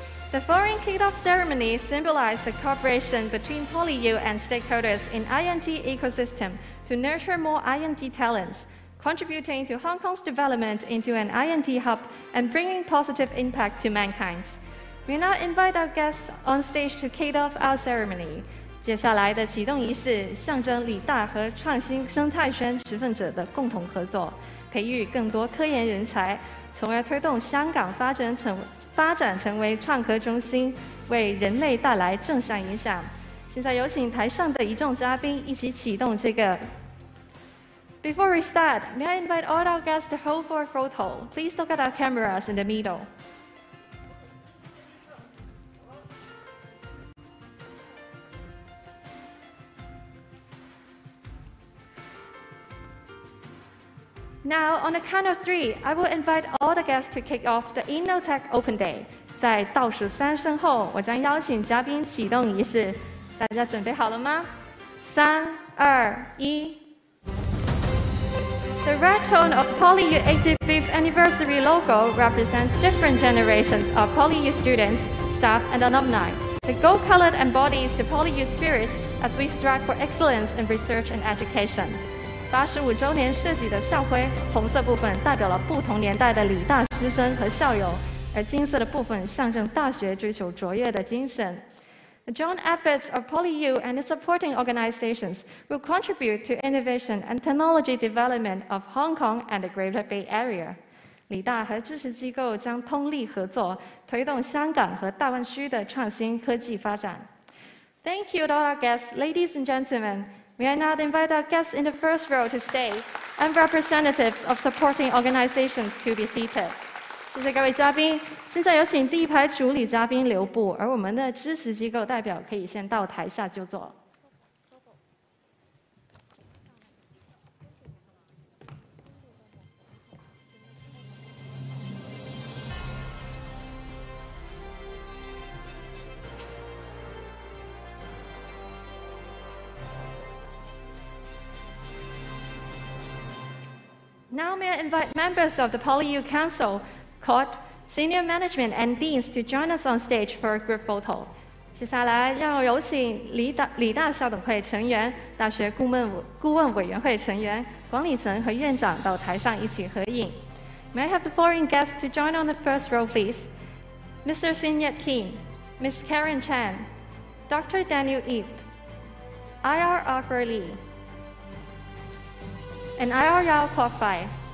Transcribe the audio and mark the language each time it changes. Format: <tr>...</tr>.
<en>The foreign kickoff ceremony symbolized the cooperation between PolyU and stakeholders in INT ecosystem to nurture more INT talents, contributing to Hong Kong's development into an INT hub and bringing positive impact to mankind. We now invite our guests on stage to kick off our ceremony.</en> <zh>接下来的启动仪式象征理大和创新生态圈持份者的共同合作，培育更多科研人才，从而推动香港发展成为创科中心，为人类带来正向影响。现在有请台上的一众嘉宾一起启动这个。</zh> <en>Before we start, may I invite all our guests to hold for a photo? Please look at our cameras in the middle. Now, on the count of three, I will invite all the guests to kick off the InnoTech Open Day.</en> <zh>在倒数三声后，我将邀请嘉宾启动仪式。大家准备好了吗？三、二、一。</zh> <en>The red tone of PolyU 85th anniversary logo represents different generations of PolyU students, staff, and alumni. The gold color embodies the PolyU spirit as we strive for excellence in research and education.</en> <zh>85周年设计的校徽，红色部分代表了不同年代的理大师生和校友，而金色的部分象征大学追求卓越的精神。</zh> <en>The joint efforts of PolyU and its supporting organizations will contribute to innovation and technology development of Hong Kong and the Greater Bay Area.</en> <zh>理大和支持机构将通力合作，推动香港和大湾区的创新科技发展。</zh> <en>Thank you to all our guests, ladies and gentlemen. We are now invite our guests in the first row to stay and representatives of supporting organizations to be seated.</en> <zh>谢谢各位嘉宾，现在有请第一排主理嘉宾留步，而我们的支持机构代表可以先到台下就坐。</zh> <en>Now may I invite members of the PolyU Council. Court, senior management and deans to join us on stage for a group photo.</en> <zh>接下来要有请理大校董会成员、大学顾问委员会成员、管理层和院长到台上一起合影。</zh> <en>May I have the following guests to join on the first row, please? Mr. Xin Yat Kim, Ms. Karen Chan, Dr. Daniel Yip, IR Arthur Lee, and IR Yao Kuo Fai.</en>